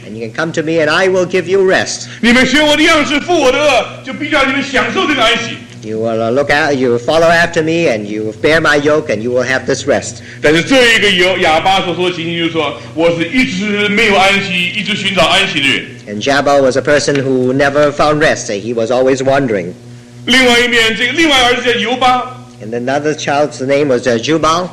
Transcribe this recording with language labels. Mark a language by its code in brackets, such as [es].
[en] And you can come to me, and I will give you rest. [zh] 你们学我的样式，负我的轭，就必叫你们享受这个安息。 [en] You will look out, you will follow after me, and you will bear my yoke, and you will have this rest. [zh] 但是这一个亚巴所说的情形就是说，我是一直没有安息，一直寻找安息的人。 [en] And Jabal was a person who never found rest. He was always wandering. [zh] 另外一面，这个另外儿子叫尤巴。 [en] And another child's name was Jubal.